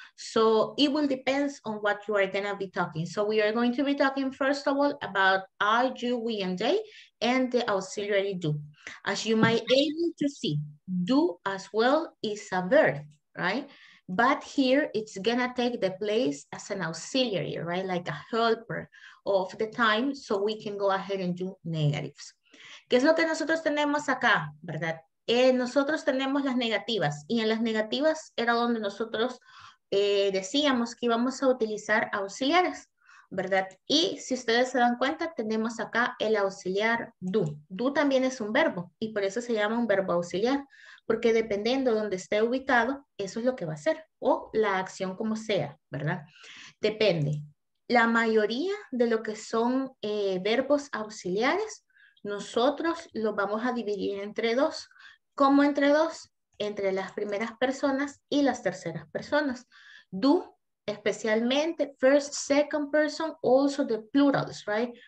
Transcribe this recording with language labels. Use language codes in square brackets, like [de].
[en] So it will depend on what you are gonna be talking. So we are going to be talking first of all about I, you, we, and they, and the auxiliary do. As you might be able to see, do as well is a verb, right? But here it's gonna take the place as an auxiliary, right? Like a helper of the time, so we can go ahead and do negatives. [es] ¿Qué es lo que nosotros tenemos acá, verdad? Nosotros tenemos las negativas, y en las negativas era donde nosotros decíamos que íbamos a utilizar auxiliares, ¿verdad? Y si ustedes se dan cuenta, tenemos acá el auxiliar do. Do también es un verbo, y por eso se llama un verbo auxiliar, porque dependiendo de donde esté ubicado, eso es lo que va a hacer, o la acción como sea, ¿verdad? Depende. La mayoría de lo que son verbos auxiliares, nosotros los vamos a dividir entre dos. ¿Cómo entre dos? Entre las primeras personas y las terceras personas. [en] Do, especialmente, first, second person, also the plurals, right?